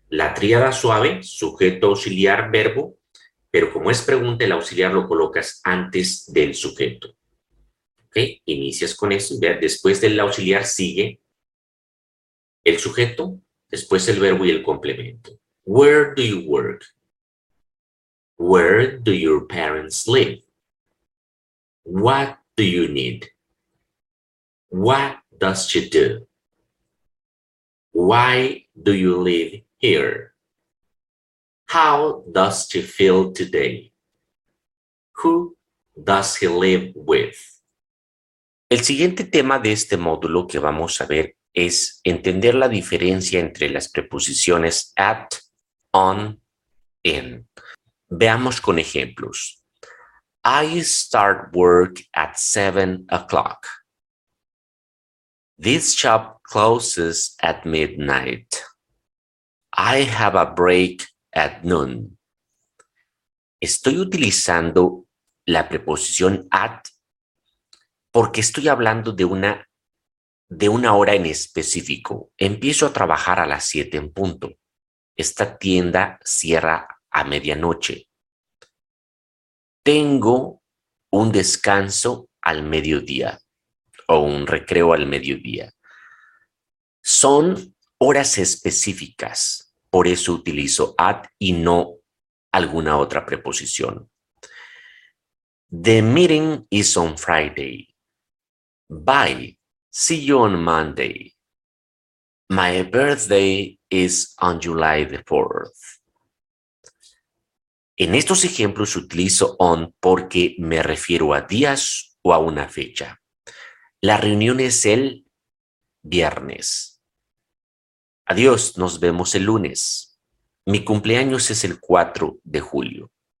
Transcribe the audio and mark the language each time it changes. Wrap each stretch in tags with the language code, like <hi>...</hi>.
<es>La tríada suave, sujeto, auxiliar, verbo. Pero como es pregunta, el auxiliar lo colocas antes del sujeto. ¿Ok? Inicias con eso. Después del auxiliar sigue el sujeto, después el verbo y el complemento.</es> <en>Where do you work? Where do your parents live? What do you need? What does she do? Why do you live here? How does she feel today? Who does he live with?</en> <es>El siguiente tema de este módulo que vamos a ver es entender la diferencia entre las preposiciones at, on, in. Veamos con ejemplos.</es> <en>I start work at 7 o'clock. This shop closes at midnight. I have a break at noon.</en> <es>Estoy utilizando la preposición at porque estoy hablando de una hora en específico. Empiezo a trabajar a las 7 en punto. Esta tienda cierra a medianoche. Tengo un descanso al mediodía o un recreo al mediodía. Son horas específicas, por eso utilizo at y no alguna otra preposición.</es> <en>The meeting is on Friday. Bye. See you on Monday. My birthday is on July the 4th.</en> <es>En estos ejemplos utilizo on porque me refiero a días o a una fecha. La reunión es el viernes. Adiós, nos vemos el lunes. Mi cumpleaños es el 4 de julio.</es>